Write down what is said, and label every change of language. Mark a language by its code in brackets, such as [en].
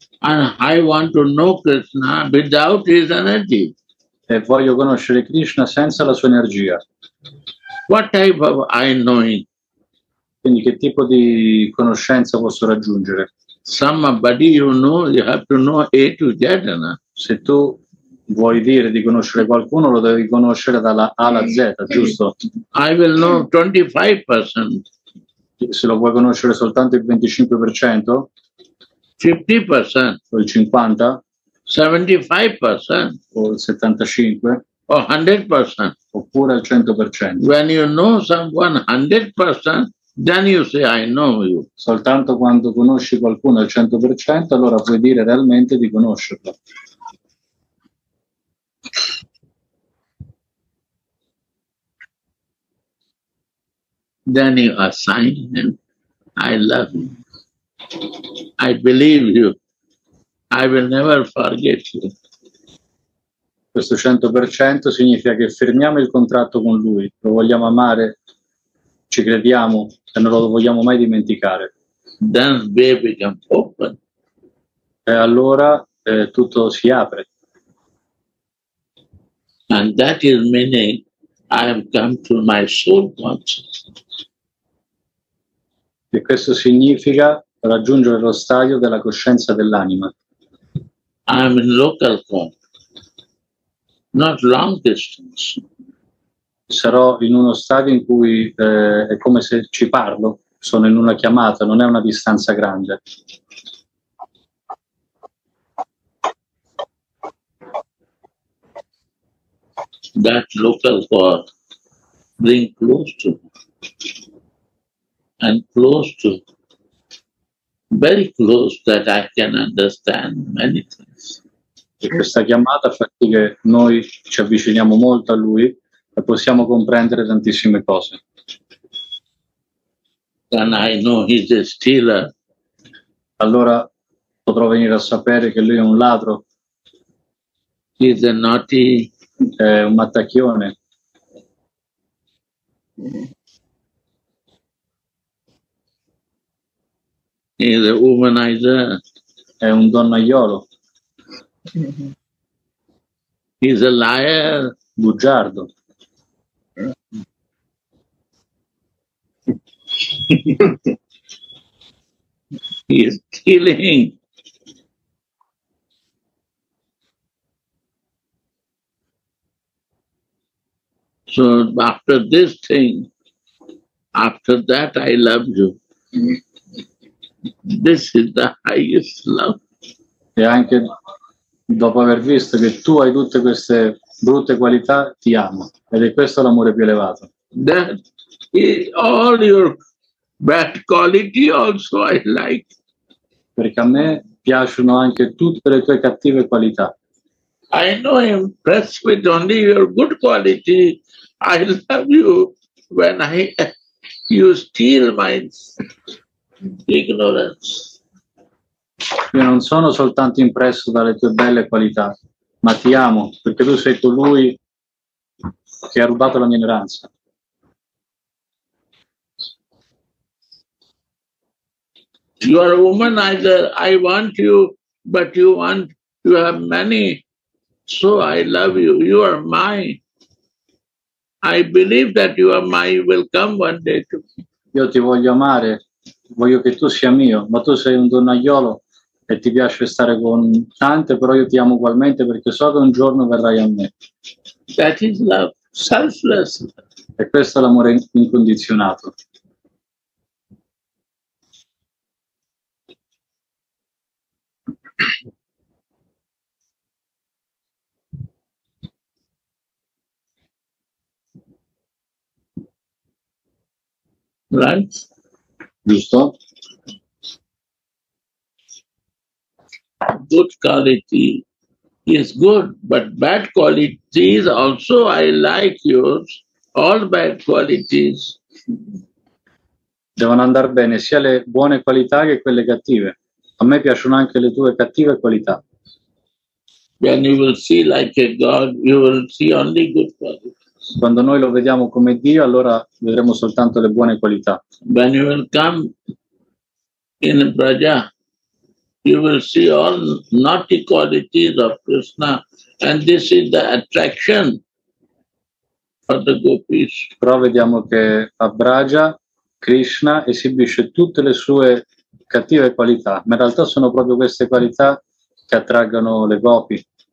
[en] And I want to know Krishna without his energy. [it] E voglio conoscere Krishna senza la sua energia. [en] What type of I knowing? [it] Quindi che tipo di conoscenza posso raggiungere? [en] Somebody you know, you have to know A to Z. No? [it] Se tu vuoi dire di conoscere qualcuno, lo devi conoscere dalla A alla Z, giusto? [en] I will know 25%. [it] Se lo vuoi conoscere soltanto il 25%? [en] 50%. [it] O il 50%? [en] 75%. [it] O il 75%? O 100%. Oppure il 100%. [en] When you know someone 100%, then you say, I know you. [it] Soltanto quando conosci qualcuno al 100%, allora puoi dire realmente di conoscerlo. [en] Then you assign him, I love you, I believe you, I will never forget you. [it] Questo 100% significa che firmiamo il contratto con lui, lo vogliamo amare, ci crediamo e non lo vogliamo mai dimenticare. [en] Then we become open. [it] E allora tutto si apre. [en] And that is meaning I have come to my soul consciousness. [it] E questo significa raggiungere lo stadio della coscienza dell'anima. [en] I'm in local form, not long distance. [it] Sarò in uno stadio in cui è come se ci parlo, sono in una chiamata, non è una distanza grande. [en] That local form, being close to me. And close to, very close that I can understand many things. [it] E questa chiamata fa sì che noi ci avviciniamo molto a lui e possiamo comprendere tantissime cose. [en] And I know he's a stealer. [it] Allora potrò venire a sapere che lui è un ladro. [en] He's a naughty. [it] È un mattacchione. [en] He's a womanizer. [it] È un donnaiolo. [en] He's a liar. [it] Bugiardo. [en] He's killing. So after this thing, after that, I love you. This is the highest love. [it] E anche dopo aver visto che tu hai tutte queste brutte qualità, ti amo. Ed è questo l'amore più elevato. [en] That is all your bad quality also I like. [it] Perché a me piacciono anche tutte le tue cattive qualità. [en] I know I'm impressed with only your good quality. I love you when I you steal mine. Ignorance. [it] Io non sono soltanto impresso dalle tue belle qualità, ma ti amo perché tu sei colui che ha rubato la mia ignoranza. [en] You are a womanizer, I want you, but you want you have many, so I love you. You are mine. I believe that you are mine. You will come one day to me. [it] Io ti voglio amare. Voglio che tu sia mio, ma tu sei un donnaiolo e ti piace stare con tante, però io ti amo ugualmente perché so che un giorno verrai a me. [en] That is love, selfless. [it] E questo è l'amore incondizionato. [en] Right. [it] Giusto. [en] Good quality is good, but bad qualities also I like yours. All bad qualities. [it] Devono andare bene sia le buone qualità che quelle cattive. A me piacciono anche le tue cattive qualità. [en] When you will see like a God, you will see only good qualities. [it] Quando noi lo vediamo come Dio, allora vedremo soltanto le buone qualità. [en] When you will come in Braja, you will see all naughty qualities of Krishna, and this is the attraction for the gopis. [it] Però vediamo che a Braja Krishna esibisce tutte le sue cattive qualità, ma in realtà sono proprio queste qualità che attraggono le gopi.